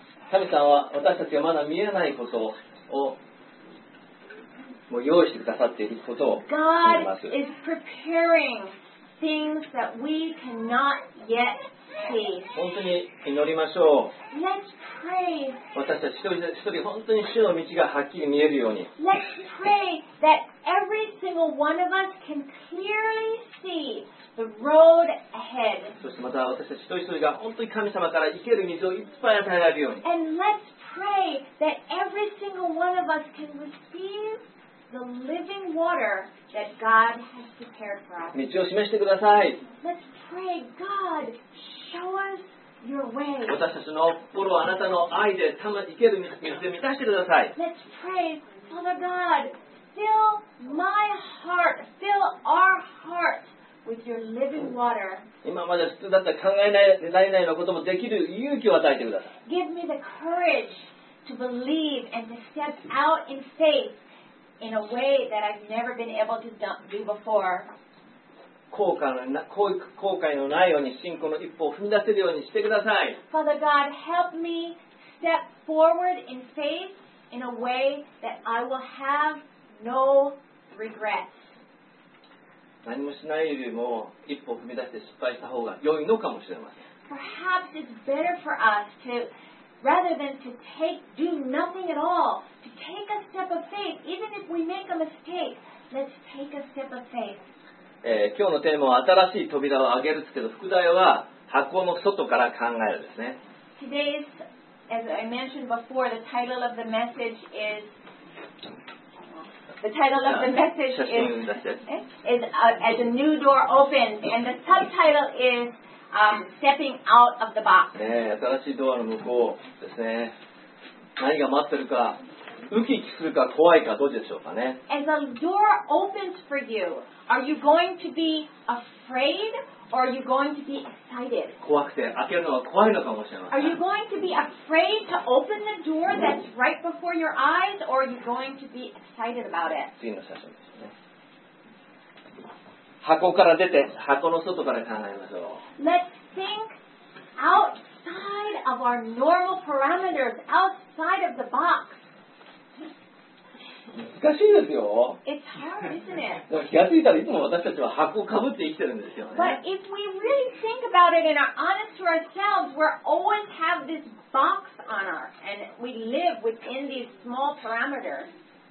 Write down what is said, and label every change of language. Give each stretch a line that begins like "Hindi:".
Japanese: 神様は私たちがまだ見えないことをもう用意してくださっていることを言います。
English: God is preparing things that we cannot yet see.
Japanese: 本当に祈りましょう。
English: Let's pray.
Japanese: 私たち一人一人本当に主の道がはっきり見えるように。
English: Let's pray that every single one of us can clearly see. The road ahead.
Japanese: そしてまた私たち一人一人が本当に神様から生ける水をいっぱい与えられるように。
English: And let's pray that every single one of us can receive the living water that God has prepared for us.
Japanese: 道を示してください。
English: Let's pray, God, show us your way.
Japanese: 私たちの心をあなたの愛で生ける水で満たしてください。
English: Let's pray, Father God, fill my heart, fill our heart with your living water.
Japanese: 今まで普通だったら考えられないようなこともできる勇気を与えてください。
English: Give me the courage to believe and to step out in faith in a way that I've never been able to do before.
Japanese: 後悔のないように信仰の一歩を踏み出せるようにしてください。
English: Father God, help me step forward in faith. In a way that I will have no regrets.
Japanese: 何もしないよりも一歩踏み出して失敗した方が良いのかもしれません。
English: Perhaps it's better for us to, rather than to take, do nothing at all, to take a step of faith. Even if we make a mistake, let's take a step of faith.
Japanese: 今日のテーマは新しい扉を開けるですけど、副題は箱の外から考えるですね。
English: Today'sAs I mentioned before, the title of the message is As a New Door Opens, and the subtitle is Stepping Out of the Box.
Japanese: 新しいドアの向こうですね。何が待ってるか、ウキウキするか怖いかどうでしょうかね。
English: As a door opens for you, are you going to be afraid? Or are you going to be excited?
Japanese: 怖くて開けるのは怖いのかもしれません。
English: Are you going to be afraid to open the door that's right before your eyes, or are you going to be excited about it?
Japanese: 次の写真ですね。箱から出て箱の外から考えましょう。
English: Let's think outside of our normal parameters, outside of the box.
Japanese: 難しいですよ。
English: It's hard, isn't it?
Japanese: 気がついたらいつも私たちは箱をかぶって生きてるんですよね。
English: But if we really think about it and are honest to ourselves, we always have this box on us, and we live within these small parameters.